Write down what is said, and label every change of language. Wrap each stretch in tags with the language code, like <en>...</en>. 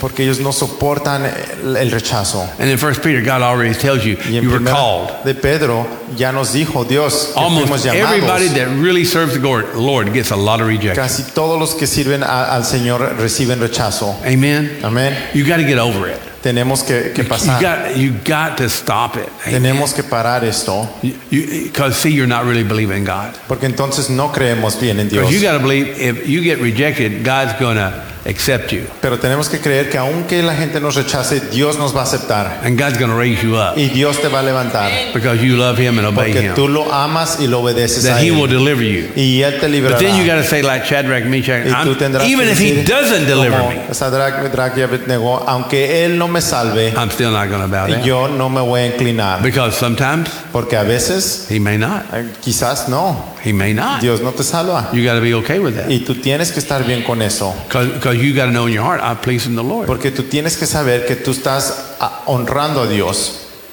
<es>Porque ellos no soportan el rechazo.</es> <en>And in 1 Peter, God already tells you,</en> <es>y en</es> <en>you were called.</en> <es>De Pedro, ya nos dijo, Dios,</es> <en>almost</en> <es>fuimos llamados.</es> <en>Everybody that really serves the Lord gets a lot of rejection.</en> <es>Casi todos los que sirven al Señor reciben rechazo.</es> <en>Amen.</en> <es>Amen.</es> <en>You got to get over it.</en> <es>Tenemos que pasar.</es> <en>You got to stop it. Amen.</en> <es>Tenemos que parar esto.</es> <en>Because see, you're not really believing God.</en> <es>Porque entonces no creemos bien en Dios.</es> <en>Because you got to believe, if you get rejected, God's going to accept you.</en> <es>Pero tenemos que creer que aunque la gente nos rechace, Dios nos va a aceptar.</es> <en>And God's going to raise you up.</en> <es>Y Dios te va a levantar.</es> <en>Because you love him and obey</en> <es>porque</es> <en>him.</en> <es>Porque tú lo amas y lo obedeces</es> <en>that</en> <es>a él.</es> <en>That he will deliver you.</en> <es>Y él te liberará.</es> <en>But then you got to say like Shadrach, Meshach, even if he doesn't deliver me.</en> <es>Shadrach, Meshach, Abednego, aunque él no me salve,</es> <en>I'm still not going to bow down.</en> <es>Yo no me voy a inclinar.</es> <en>Because sometimes,</en> <es>porque a veces,</es> <en>he may not.</en> <es>Quizás no.</es> <en>He may not.</en> <es>Dios no te salva.</es> <en>You got to be okay with that.</en> <es>Y tú tienes que estar bien con eso.</es> <en>Because you got to know in your heart, I'm pleasing the Lord.</en> <es>Porque tú tienes que saber que tú estás honrando a Dios.</es>